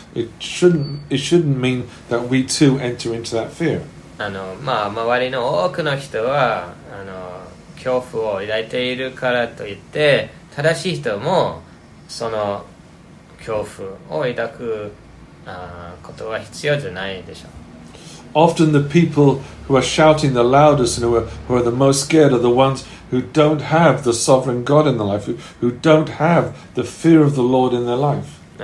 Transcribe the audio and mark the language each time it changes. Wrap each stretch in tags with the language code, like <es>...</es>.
<en>It shouldn't mean that we too enter into that fear.</en> <ja>まあ、周りの多くの人は恐怖を抱いているからといって、正しい人もその恐怖を抱くことは必要じゃないでしょう。</ja> <en>Often the people who are shouting the loudest and who are the most scared are the ones who don't have the sovereign God in their life, who don't have the fear of the Lord in their life.</en>